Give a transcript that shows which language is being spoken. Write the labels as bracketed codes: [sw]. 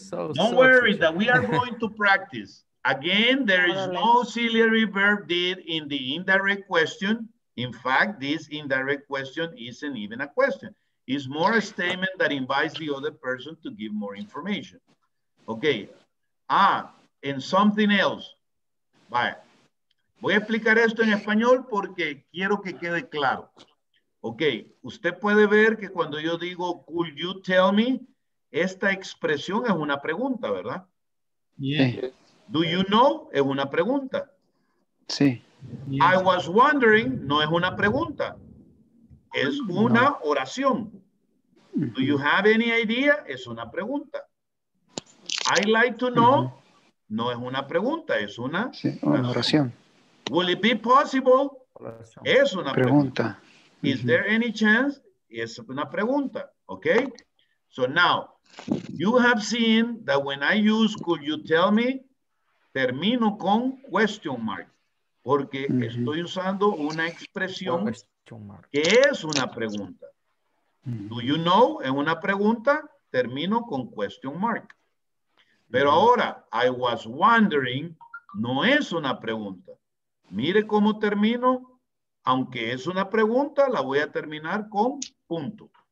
[en] Don't worry that we are going to practice. Again, there is no auxiliary verb did in the indirect question. In fact, this indirect question isn't even a question. It's more a statement that invites the other person to give more information. Okay. Ah, and something else. Bye. [es] Voy a explicar esto en español porque quiero que quede claro. Ok, usted puede ver que cuando yo digo, [en] could you tell me, [es] esta expresión es una pregunta, ¿verdad? [en] Yes. Do you know? [es] Es una pregunta. Sí. [en] Yes. I was wondering, [es] no es una pregunta. Es una oración. [en] Do you have any idea? [es] Es una pregunta. [en] I'd like to know, [es] no es una pregunta, es una, sí, una oración. [en] Will it be possible? [es] Es una pregunta. Is mm-hmm. [en] there any chance? [es] Es una pregunta. [en] Okay? So now, you have seen that when I use could you tell me, [es] termino con [en] question mark. [es] Porque mm-hmm. estoy usando una expresión que es una pregunta. [en] Mm-hmm. Do you know? [es] Es una pregunta. Termino con question mark. Pero ahora, [en] I was wondering, [es] no es una pregunta. Mire cómo termino, aunque es una pregunta, la voy a terminar con punto.